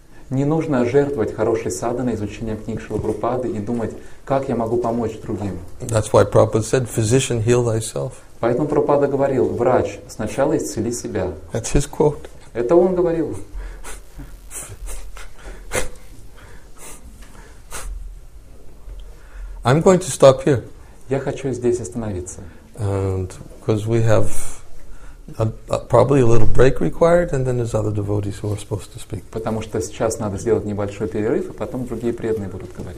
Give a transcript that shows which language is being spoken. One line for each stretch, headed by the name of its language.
Russian: Не нужно жертвовать хорошей садханой, изучением книг Шрилы Прабхупады и думать, как я могу помочь другим.
English: That's why Prabhupada said, physician, heal thyself.
Russian: Поэтому Прабхупада говорил, врач, сначала исцели себя.
English: That's his quote.
Russian: Это он говорил.
English: I'm going to stop here.
Russian: Я хочу здесь остановиться.
English: And because we have probably a little break required, and then there's other devotees who are supposed to speak.
Russian: Потому что сейчас надо сделать небольшой перерыв, а потом другие преданные будут говорить.